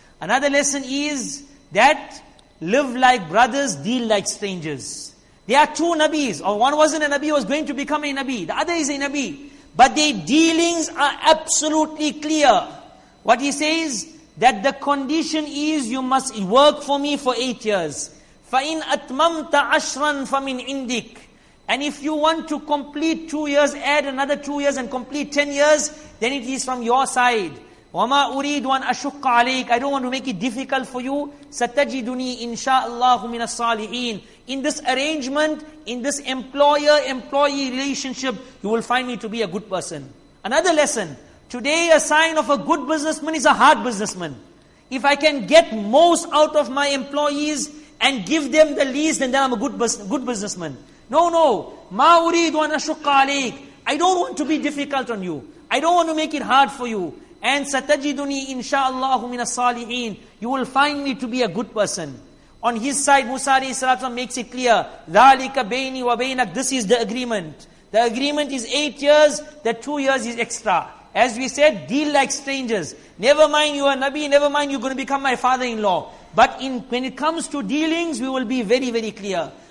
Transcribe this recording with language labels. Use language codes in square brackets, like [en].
[en] Another lesson is that live like brothers, deal like strangers. There are two Nabis. Or one wasn't a Nabi, was going to become a Nabi. The other is a Nabi. But their dealings are absolutely clear. What he says, that the condition is you must work for me for 8 years. [ar] فَإِنْ أَتْمَمْتَ عَشْرًا فَمِنْ indik. [en] And if you want to complete 2 years, add another 2 years and complete 10 years, then it is from your side. [ar] وَمَا أُرِيدُ وَنْ أَشُقَّ عَلَيْكَ. [en] I don't want to make it difficult for you. [ar] سَتَجِدُنِي إِنْشَاءَ اللَّهُ مِنَ الصَّالِحِينَ. [en] In this arrangement, in this employer-employee relationship, you will find me to be a good person. Another lesson. Today, a sign of a good businessman is a hard businessman. If I can get most out of my employees and give them the least, then I'm a good businessman. No. [ar] مَا أُرِيدُ وَنْ أَشُقَّ عَلَيْكَ. [en] I don't want to be difficult on you. I don't want to make it hard for you. And [ar] سَتَجِدُنِي إِنْشَاءَ مِنَ الصَّالِحِينَ. [en] You will find me to be a good person. On his side, Musa makes it clear, [ar] ذَلِكَ بَيْنِي وَبَيْنَكَ. [en] This is the agreement. The agreement is 8 years, the 2 years is extra. As we said, deal like strangers. Never mind you are Nabi, never mind you're going to become my father-in-law. But when it comes to dealings, we will be very, very clear.